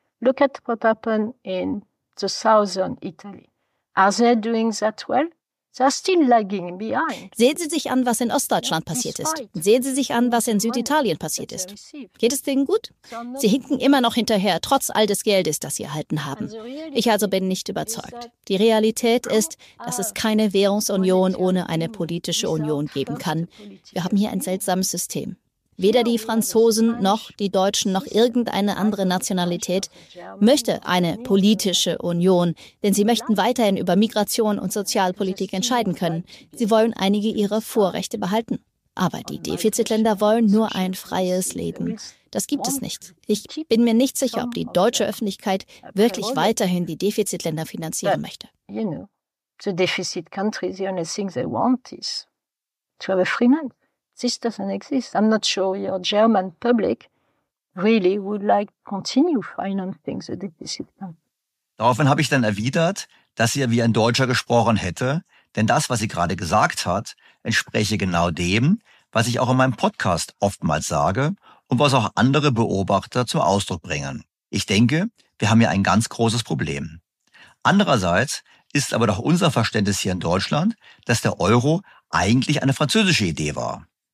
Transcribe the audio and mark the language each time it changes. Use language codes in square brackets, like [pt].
[en] Look at what happened in the southern Italy. Are they doing that well? They're still lagging behind. [de] Sehen Sie sich an, was in Ostdeutschland passiert ist. Sehen Sie sich an, was in Süditalien passiert ist. Geht es denen gut? Sie hinken immer noch hinterher, trotz all des Geldes, das sie erhalten haben. Ich also bin nicht überzeugt. Die Realität ist, dass es keine Währungsunion ohne eine politische Union geben kann. Wir haben hier ein seltsames System. Weder die Franzosen noch die Deutschen noch irgendeine andere Nationalität möchte eine politische Union, denn sie möchten weiterhin über Migration und Sozialpolitik entscheiden können. Sie wollen einige ihrer Vorrechte behalten. Aber die Defizitländer wollen nur ein freies Leben. Das gibt es nicht. Ich bin mir nicht sicher, ob die deutsche Öffentlichkeit wirklich weiterhin die Defizitländer finanzieren möchte. [en] The deficit countries, the only thing they want is to have a free man. This doesn't exist. I'm not sure your German public really would like to continue financing the deficit countries. [de] Daraufhin habe ich dann erwidert, dass sie ja wie ein Deutscher gesprochen hätte, denn das, was sie gerade gesagt hat, entspreche genau dem, was ich auch in meinem Podcast oftmals sage und was auch andere Beobachter zum Ausdruck bringen. Ich denke, wir haben hier ein ganz großes Problem. Andererseits ist aber doch unser Verständnis hier in Deutschland, dass der Euro eigentlich eine französische Idee war.